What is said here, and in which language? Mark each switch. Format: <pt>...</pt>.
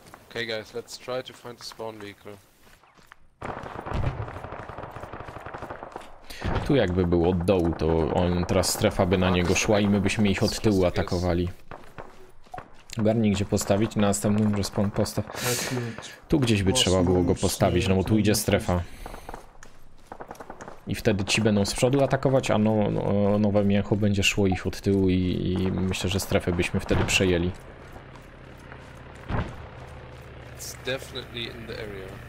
<en>Okay guys, let's try to find the spawn vehicle.</en> <pl>Tu jakby był od dołu, to on teraz strefa by na niego szła i my byśmy ich od tyłu atakowali. Garni, gdzie postawić? Na następnym respawn postaw. Tu gdzieś by trzeba było go postawić, no bo tu idzie strefa. I wtedy ci będą z przodu atakować, a nowe mięcho będzie szło ich od tyłu i myślę, że strefę byśmy wtedy przejęli.</pl> <en>It's definitely in the area.</en>